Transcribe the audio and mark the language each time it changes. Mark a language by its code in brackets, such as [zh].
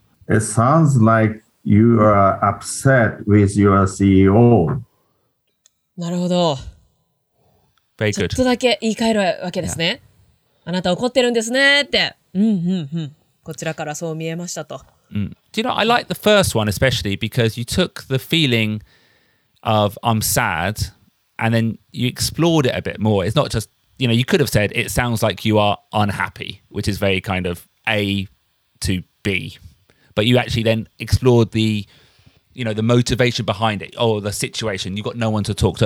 [en] It sounds like you are upset with your CEO. [ja] なるほど。 [en] Very good. [ja] ちょっとだけ言い換えるわけですね。あなた怒ってるんですねって。こちらからそう見えましたと。 [en] Do you know, I like the first one especially because you took the feeling of I'm sad and then you explored it a bit more. It's not justYou know, you could have said, it sounds like you are unhappy, which is very kind of A to B. But you actually then explored the motivation behind it, or the situation. You've got no one to talk to.